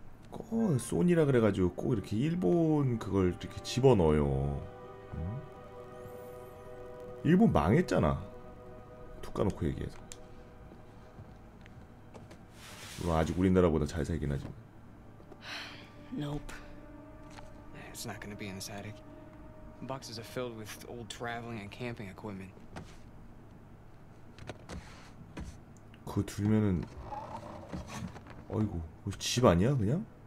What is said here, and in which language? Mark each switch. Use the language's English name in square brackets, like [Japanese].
[Korean] 꼭 소니라 그래가지고 꼭 이렇게 일본 그걸 이렇게 집어넣어요. 일본 망했잖아. 툭 까놓고 얘기해서. 아직 우리나라보다 잘 살긴 하지. [English] Nope. It's not going to be in this attic. Boxes are filled with old traveling and camping equipment. [Korean] 그 들면은 아이고, 집 아니야 그냥?